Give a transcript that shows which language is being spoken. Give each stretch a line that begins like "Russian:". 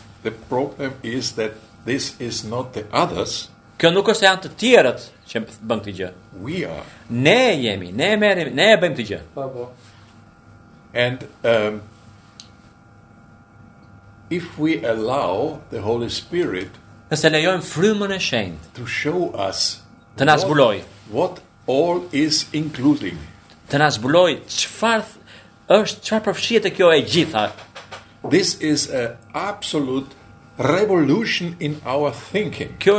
English: The problem is that this is not the others.
Albanian: Kjo nuk është janë të tjerët që bën këtë gjë.
English: We are.
Albanian: Ne jemi, ne merrem, ne bëjmë këtë gjë. Po po.
English: And if we allow the Holy Spirit to show us what all is including, this is an absolute revolution in our thinking.